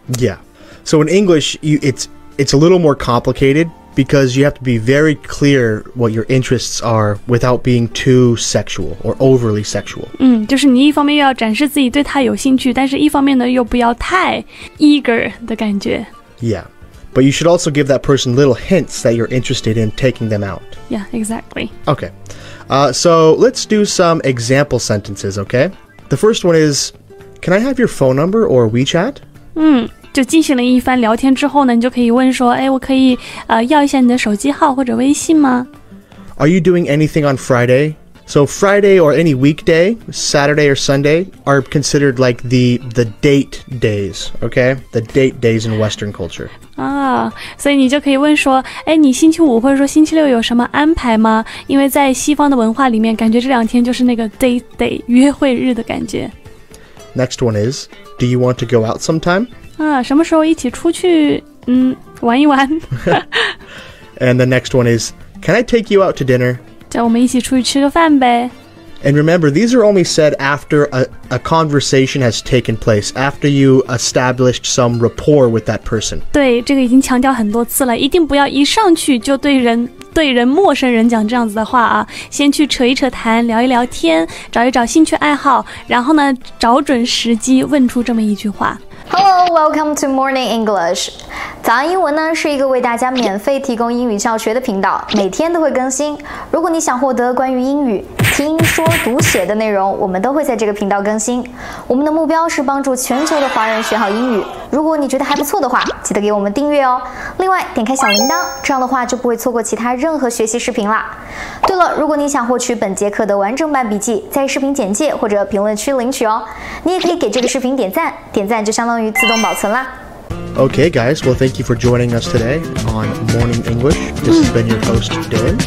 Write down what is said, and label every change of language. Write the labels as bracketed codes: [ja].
[en] Yeah, so in English it's a little more complicatedBecause you have to be very clear what your interests are without being too sexual or overly sexual. [zh] 就是你一方面要展示自己对他有兴趣，但是一方面呢又不要太 eager 的感觉。 [en] Yeah, but you should also give that person little hints that you're interested in taking them out. Yeah, exactly. Okay, so let's do some example sentences, okay? The first one is, can I have your phone number or WeChat? [zh] 就进行了一番聊天之后呢，你就可以问说，哎，我可以要一下你的手机号或者微信吗？ [en] Are you doing anything on Friday? So Friday or any weekday, Saturday or Sunday are considered like the date days, okay? The date days in Western culture. [zh] 啊，所以你就可以问说，哎，你星期五或者说星期六有什么安排吗？因为在西方的文化里面，感觉这两天就是那个 date day 约会日的感觉。 [en] Next one is, do you want to go out sometime? [zh] 什么时候一起出去玩一玩 [en] And the next one is, can I take you out to dinner? [zh] 叫我们一起出去吃个饭呗。 [en] And remember, these are only said after a conversation has taken place, after you established some rapport with that person. [zh] 对，这个已经强调很多次了，一定不要一上去就对人陌生人讲这样子的话啊，先去扯一扯谈，聊一聊天，找一找兴趣爱好，然后呢找准时机问出这么一句话。 [en] Hello, welcome to Morning English. [zh] 早安英文呢是一个为大家免费提供英语教学的频道，每天都会更新。如果你想获得关于英语听说读写的内容，我们都会在这个频道更新。我们的目标是帮助全球的华人学好英语。如果你觉得还不错的话，记得给我们订阅哦。另外点开小铃铛，这样的话就不会错过其他任何学习视频啦。对了，如果你想获取本节课的完整版笔记，在视频简介或者评论区领取哦。你也可以给这个视频点赞，点赞就相当于自动保存啦。 [en] Okay, guys, well, thank you for joining us today on Morning English. This has been your host, Dylan.